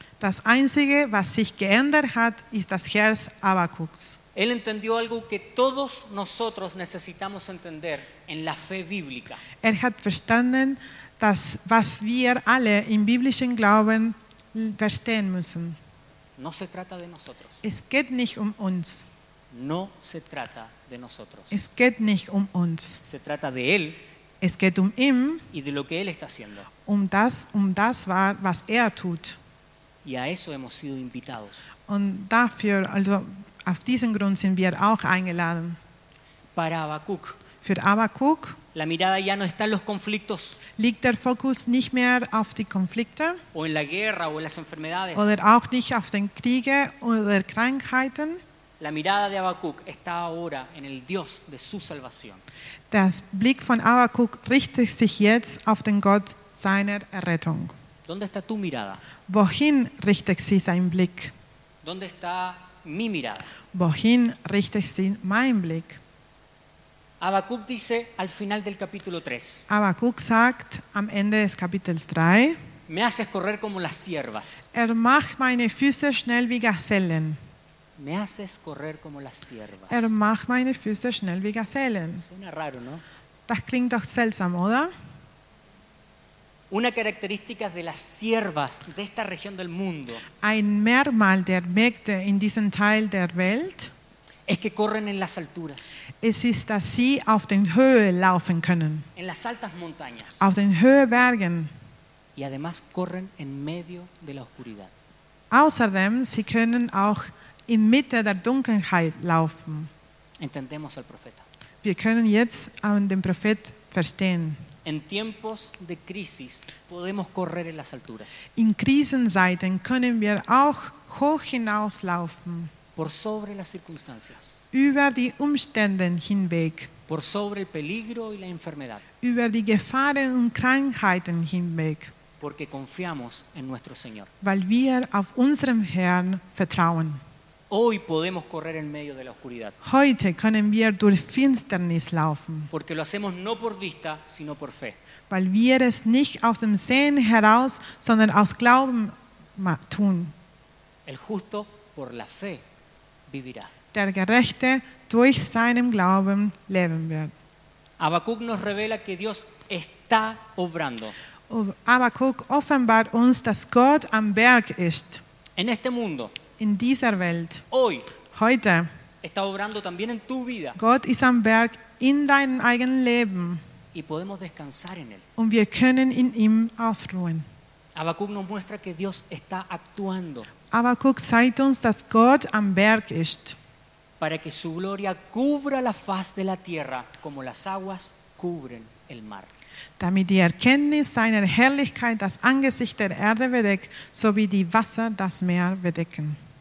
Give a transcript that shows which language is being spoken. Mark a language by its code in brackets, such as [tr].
[de] Das Einzige, was sich geändert hat, ist das Herz Habacucs. [es] Él entendió algo que todos nosotros necesitamos entender en la fe bíblica. [de] Er hat verstanden, dass was wir alle im biblischen Glauben verstehen müssen. [es] No se trata de nosotros. [de] Es geht nicht um uns. [es] No se trata de nosotros. [de] Es geht nicht um uns. [es] Se trata de él. [de] Es geht um ihn [es] y de lo que él está haciendo. [de] Um das war, was er tut. [es] Y a eso hemos sido invitados. [de] Und dafür, also auf diesen Grund sind wir auch eingeladen. [es] Para Habacuc. [de] Für Habacuc. [es] La mirada ya no está en los conflictos. [de] Liegt der Fokus nicht mehr auf die Konflikte. [es] O en la guerra o en las enfermedades. [de] Oder auch nicht auf den Kriege oder Krankheiten. [es] La mirada de Habacuc está ahora en el Dios de su salvación. [de] Das Blick von Habacuc richtet sich jetzt auf den Gott seiner Errettung. [es] ¿Dónde está tu mirada? [de] Wohin richtet sich dein Blick? [es] ¿Dónde está mi mirada? [de] Wohin richtet sich mein Blick? [es] Habacuc dice al final del capítulo 3. [de] Habacuc sagt am Ende des Kapitels 3. [es] Me haces correr como las ciervas. [de] Er macht meine Füße schnell wie Gazellen. [es] Me haces correr como las ciervas. [de] Er macht meine Füße schnell wie Gazellen. [es] Suena raro, ¿no? [de] Das klingt doch seltsam, oder? [es] Una característica de las ciervas de esta región del mundo. [de] Ein Merkmal der Mägde in diesem Teil der Welt. [es] Es que corren en las alturas. [de] Es ist, dass sie auf den Höhen laufen können. [es] En las altas montañas. [de] Auf den Höhebergen. [es] Y además corren en medio de la oscuridad. [de] Außerdem, sie können auch in Mitte der Dunkelheit laufen. [es] Entendemos al profeta. [de] Wir können jetzt an den Prophet verstehen. [es] En tiempos de crisis podemos correr en las alturas. [de] In Krisenzeiten können wir auch hoch hinauslaufen. [es] Por sobre las circunstancias. [de] Über die Umstände hinweg. [es] Por sobre el peligro y la enfermedad. [de] Über die Gefahren und Krankheiten hinweg. [es] Porque confiamos en nuestro Señor. [de] Weil wir auf unserem Herrn vertrauen. [es] Hoy podemos correr en medio de la oscuridad. [de] Heute können wir durch Finsternis laufen. [es] Porque lo hacemos no por vista, sino por fe. [de] Weil wir es nicht aus dem Sehen heraus, sondern aus Glauben tun. [es] El justo por la fe vivirá. [de] Der Gerechte durch seinen Glauben leben wird. [es] Habakkuk nos revela que Dios está obrando. [de] Habakkuk offenbart uns, dass Gott am Werk ist. [es] En este mundo. [de] In dieser Welt. [es] Hoy. [de] Heute. [es] Está obrando también en tu vida. [de] Gott ist am Werk in deinem eigenen Leben. [es] Y podemos descansar en él. [de] Und wir können in ihm ausruhen. [es] Habakkuk nos muestra que Dios está actuando. [de] Habakkuk zeigt uns, dass Gott am Werk ist. [es] Para que su gloria cubra la faz de la tierra como las aguas cubren el mar. [de] Damit die Erkenntnis seiner Herrlichkeit das Angesicht der Erde bedeckt, so wie die Wasser das Meer bedecken.